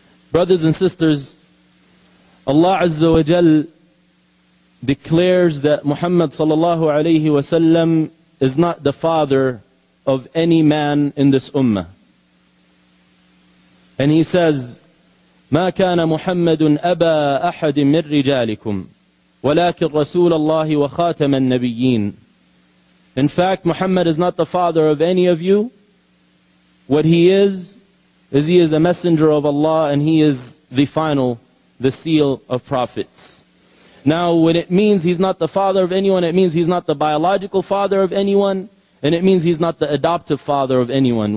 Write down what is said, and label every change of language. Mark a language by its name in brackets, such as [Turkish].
[English] Brothers and sisters, Allah Azza wa Jal declares that Muhammad sallallahu alayhi wa sallam is not the father of any man in this ummah. And he says, [Arabic] ما كان محمد أبا أحد من رجالكم ولكن رسول الله وخاتم النبيين. [English] In fact, Muhammad is not the father of any of you. What he is the messenger of Allah, and he is the final, the seal of prophets. Now, when it means he's not the father of anyone, it means he's not the biological father of anyone, and it means he's not the adoptive father of anyone.